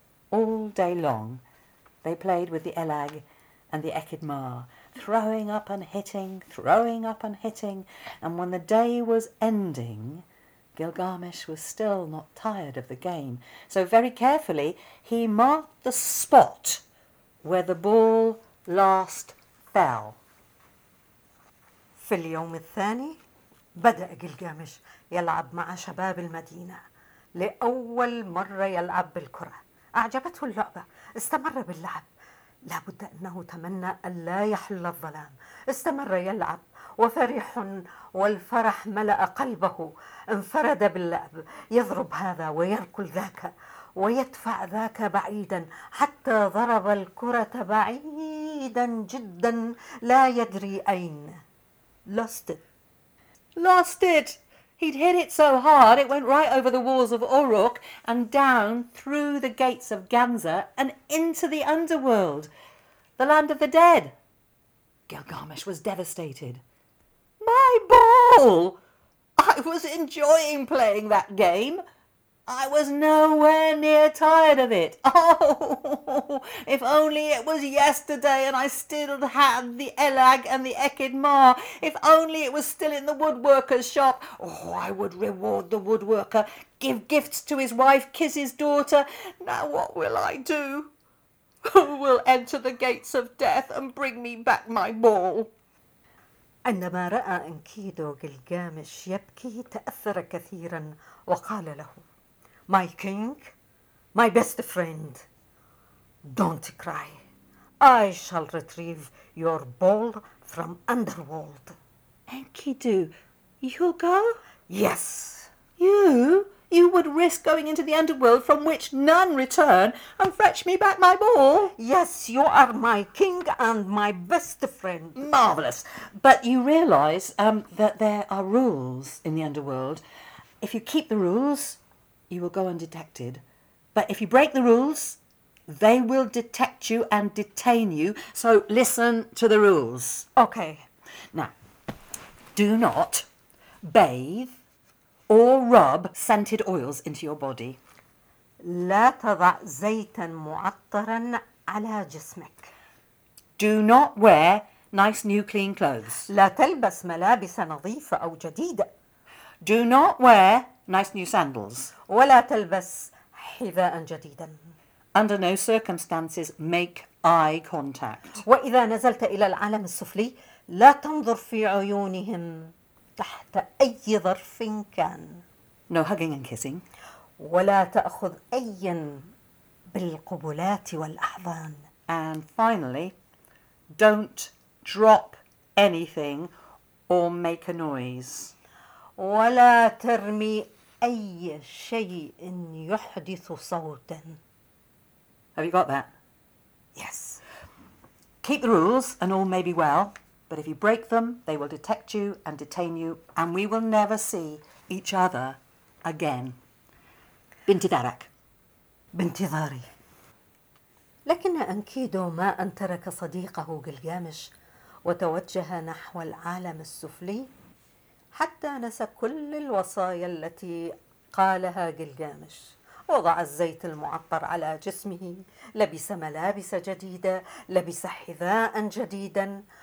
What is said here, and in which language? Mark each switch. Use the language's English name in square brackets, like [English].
[English] All day long they played with the Elag and the Ekidmar, throwing up and hitting, throwing up and hitting. And when the day was ending, Gilgamesh was still not tired of the game, so very carefully he marked the spot where the ball last fell. [Arabic] في اليوم الثاني بدأ جلجامش يلعب مع شباب المدينة لأول مرة يلعب بالكرة. أعجبته اللعبة، استمر باللعب. لابد أنه تمنى ألا يحل الظلام. استمر يلعب وفرح والفرح ملأ قلبه. انفرد باللعب، يضرب هذا ويركل ذاك ويدفع ذاك بعيدا، حتى ضرب الكرة بعيدا جدا لا يدري أين. [English] Lost it. Lost it. He'd hit it so hard it went right over the walls of Uruk and down through the gates of Ganza and into the underworld, the land of the dead. Gilgamesh was devastated. My ball! I was enjoying playing that game. I was nowhere near tired of it. Oh, if only it was yesterday and I still had the Elag and the Echid Ma. If only it was still in the woodworker's shop. Oh, I would reward the woodworker, give gifts to his wife, kiss his daughter. Now what will I do? Who will enter the gates of death and bring me back my ball? [Arabic] عندما رأى إنكيدو جلجامش يبكي تأثر كثيرا وقال له [English] My king, my best friend, don't cry. I shall retrieve your ball from underworld. Enkidu, you'll go? Yes. You would risk going into the underworld from which none return and fetch me back my ball? Yes, you are my king and my best friend. Marvellous. But you realise that there are rules in the underworld. If you keep the rules, you will go undetected. But if you break the rules, they will detect you and detain you. So listen to the rules. Okay. Now, do not bathe or rub scented oils into your body. [Arabic] لا تضع زيتا معطرا على جسمك. [English] Do not wear nice new clean clothes. [Arabic] لا تلبس ملابس نظيفة أو جديدة. [English] Do not wear nice new sandals. [Arabic] ولا تلبس حذاء جديدا. [English] Under no circumstances make eye contact. [Arabic] وإذا نزلت إلى العالم السفلي لا تنظر في عيونهم تحت أي ظرف كان. [English] No hugging and kissing. [Arabic] ولا تأخذ أي بالقبلات والأحضان. [English] And finally, don't drop anything or make a noise. [Arabic] ولا ترمي أي شيء يحدث صوتا. [English] Have you got that? Yes. Keep the rules and all may be well. But if you break them, they will detect you and detain you, and we will never see each other again. [Arabic] بانتظارك. بانتظاري. لكن أنكيدو ما أن ترك صديقه جلجامش وتوجه نحو العالم السفلي حتى نسى كل الوصايا التي قالها جلجامش. وضع الزيت المعطر على جسمه، لبس ملابس جديدة، لبس حذاء جديدا.